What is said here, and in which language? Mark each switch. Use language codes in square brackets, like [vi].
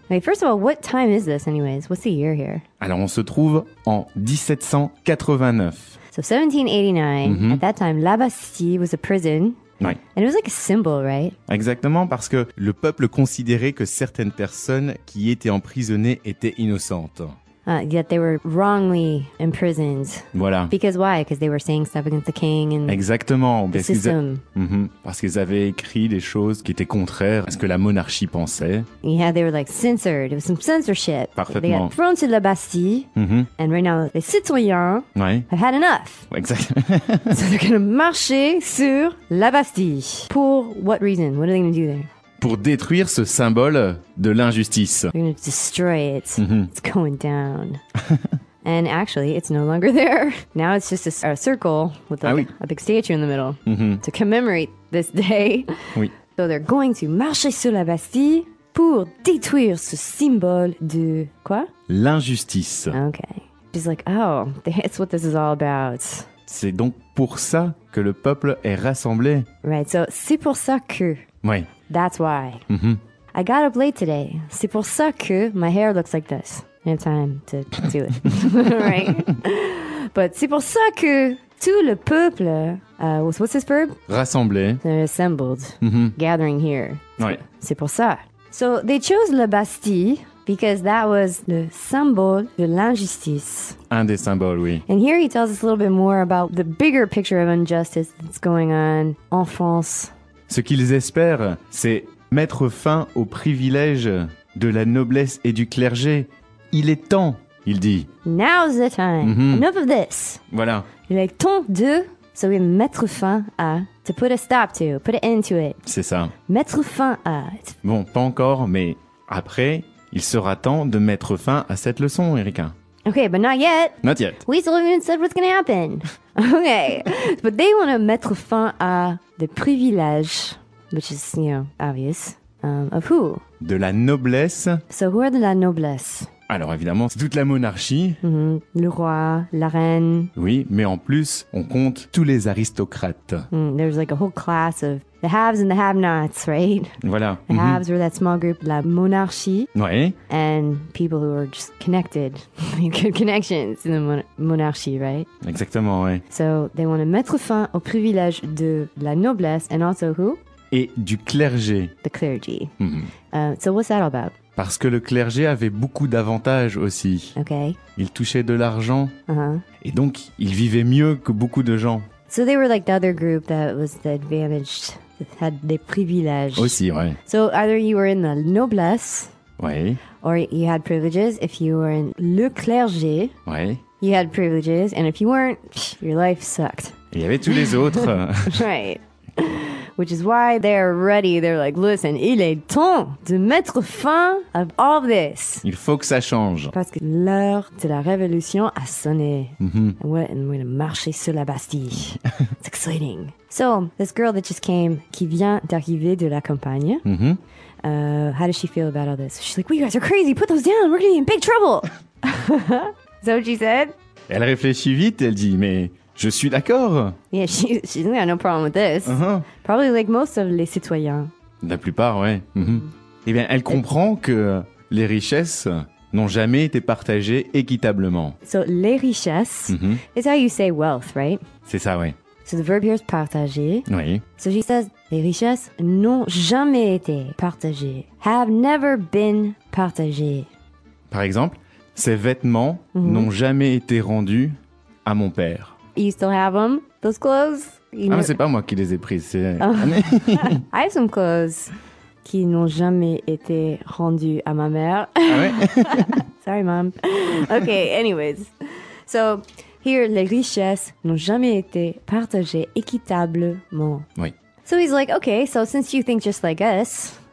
[en] Wait, first of all, what time is this anyways? What's the year here? [fr] Alors, on se trouve en 1789. [en] So 1789, mm-hmm. at that time, la Bastille was a prison. [fr] Oui. [en] And it was like a symbol, right? [fr] Exactement, parce que le peuple considérait que certaines personnes qui étaient emprisonnées étaient innocentes. [en] That they were wrongly imprisoned. [fr] Voilà. [en] Because why? Because they were saying stuff against the king and [fr] exactement. [en] The parce system. Mm-hmm. [fr] Parce qu'ils avaient écrit des choses qui étaient contraires à ce que la monarchie pensait. [en] Yeah, they were like censored. It was some censorship. [fr] Parfaitement. [en] They got thrown to the Bastille. Mm-hmm. And right now, les citoyens [fr] ouais. [en] have had enough. [fr] Exactement. [en] So they're going to [fr] marcher sur la Bastille. [en] Pour what reason? What are they going to do there? [fr] Pour détruire ce symbole de l'injustice. [en] We're gonna destroy it. Mm-hmm. It's going down. And actually, it's no longer there. Now it's just a circle with like [fr] ah, oui. [en] a big statue in the middle mm-hmm. to commemorate this day. [fr] Oui. [en] So they're going to [fr] marcher sur la Bastille pour détruire ce symbole de quoi? L'injustice. [en] Okay. She's like, oh, that's what this is all about. [fr] C'est donc pour ça que le peuple est rassemblé. [en] Right, so [fr] c'est pour ça que... Oui. [en] That's why. Mm-hmm. I got up late today. [fr] C'est pour ça que [en] my hair looks like this. I have time to do it. right? [fr] But c'est pour ça que tout le peuple... [en] what's this verb? [fr] Rassemblé. [en] They're assembled. Mm-hmm. Gathering here. [fr] Oui. C'est pour ça. [en] So they chose la Bastille because that was the symbol [fr] de l'injustice. Un des symboles, oui. [en] And here he tells us a little bit more about the bigger picture of injustice that's going on en France. [fr] Ce qu'ils espèrent, c'est mettre fin aux privilèges de la noblesse et du clergé. Il est temps, il dit. [en] Now's the time. Mm-hmm. Enough of this. [fr] Voilà. Il est temps de, [en] so we [fr] mettre fin à, [en] to put a stop to, put an end to it. [fr] C'est ça. Mettre fin à. Bon, pas encore, mais après, il sera temps de mettre fin à cette leçon, Erika. [en] Okay, but not yet. Not yet. We still haven't said what's going to happen. Okay. But they want to [fr] mettre fin à [en] the privilège, which is, you know, obvious, of who? [fr] De la noblesse. [en] So who are the la noblesse? [fr] Alors évidemment, c'est toute la monarchie. Mm-hmm. Le roi, la reine. Oui, mais en plus, on compte tous les aristocrates. [en] Mm, there's like a whole class of the haves and the have-nots, right? [fr] Voilà. [en] The mm-hmm. haves were that small group, la monarchie. [fr] Oui. [en] And people who are just connected, good connections in the monarchie, right? [fr] Exactement, oui. [en] So they want to [fr] mettre fin aux privilèges de la noblesse [en] and also who? [fr] Et du clergé. [en] The clergy. Mm-hmm. So what's that all about? [fr] Parce que le clergé avait beaucoup d'avantages aussi. [en] Okay. [fr] Il touchait de l'argent. Uh-huh. Et donc, il vivait mieux que beaucoup de gens. [en] So they were like the other group that was the advantaged, that had des privilèges. [fr] Aussi, ouais. [en] So either you were in the noblesse. [fr] Oui. [en] Or you had privileges. If you were in le clergé. [fr] Oui. [en] You had privileges. And if you weren't, your life sucked. [fr] Il y avait tous les autres. [en] Right. Which is why they're ready. They're like, listen, [fr] il est temps de mettre fin à [en] all this. [fr] Il faut que ça change. Parce que l'heure de la révolution a sonné. Mm-hmm. [en] And we're going to march [fr] sur la Bastille. [en] It's exciting. So, this girl that just came, [fr] qui vient d'arriver de la campagne, mm-hmm. [en] How does she feel about all this? She's like, well, you guys are crazy. Put those down. We're going to be in big trouble. Is that what she said? [fr] Elle réfléchit vite. Elle dit, mais... Je suis d'accord. [en] Yeah, she doesn't have no problem with this. Uh-huh. Probably like most of les citoyens. [fr] La plupart, ouais. Mm-hmm. Eh bien, elle comprend que les richesses n'ont jamais été partagées équitablement. [en] So, [fr] les richesses, mm-hmm. [en] is how you say wealth, right? [fr] C'est ça, ouais. [en] So, the verb here is partager. [fr] Oui. [en] So, she says, [fr] les richesses n'ont jamais été partagées. [en] Have never been partagées. [fr] Par exemple, ses vêtements mm-hmm. n'ont jamais été rendus à mon père. [en] You still have them, those clothes? You [fr] know? Ah, mais c'est pas moi qui les ai prises, c'est... [en] I have some clothes [fr] qui n'ont jamais été rendues à ma mère. Ah ouais? [en] Sorry, mom. Okay, anyways. [fr] So, here, les richesses n'ont jamais été partagées équitablement. Oui. [en] So he's like, okay, so since you think just like us...